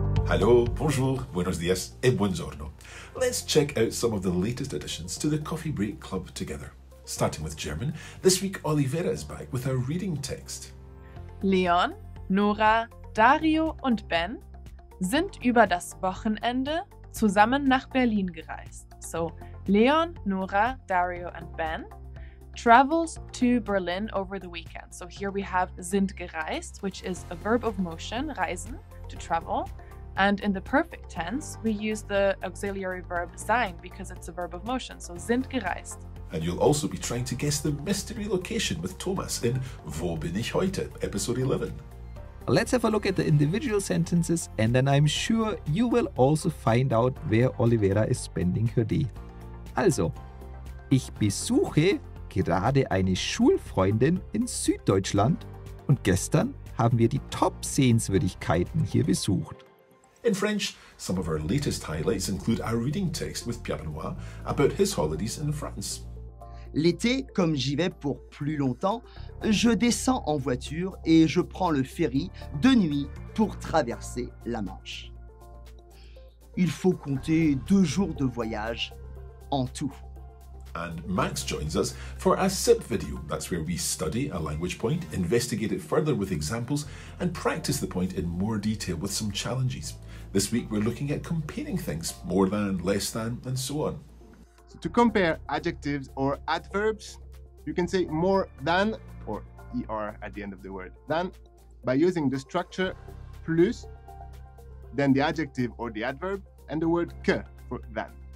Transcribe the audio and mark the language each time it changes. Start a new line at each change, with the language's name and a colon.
English: Hello, bonjour, buenos dias, y buongiorno. Let's check out some of the latest additions to the Coffee Break Club together. Starting with German, this week Oliveira is back with our reading text.
German: Leon, Nora, Dario und Ben sind über das Wochenende zusammen nach Berlin gereist.
English: So, Leon, Nora, Dario and Ben travels to Berlin over the weekend. So here we have sind gereist, which is a verb of motion, reisen, to travel. And in the perfect tense, we use the auxiliary verb sein because it's a verb of motion. So sind gereist. And you'll also be trying to guess the mystery location with Thomas in
German: Wo bin ich heute?
English: Episode 11. Let's have a look at the individual sentences and then I'm sure you will also find out where Oliveira is spending her day.
German: Also, ich besuche gerade eine Schulfreundin in Süddeutschland und gestern haben wir die Top-Sehenswürdigkeiten hier besucht.
English: In French, some of our latest highlights include our reading text with Pierre Benoit about his holidays in France.
French: L'été, comme j'y vais pour plus longtemps, je descends en voiture et je prends le ferry de nuit pour traverser la Manche. Il faut compter 2 jours de voyage en tout.
English: And Max joins us for a SIP video. That's where we study a language point, investigate it further with examples, and practice the point in more detail with some challenges. This week we're looking at comparing things, more than, less than, and so on. So to compare adjectives or adverbs, you can say more than, or er at the end of the word, than, by using the structure plus, then the adjective or the adverb, and the word que for than.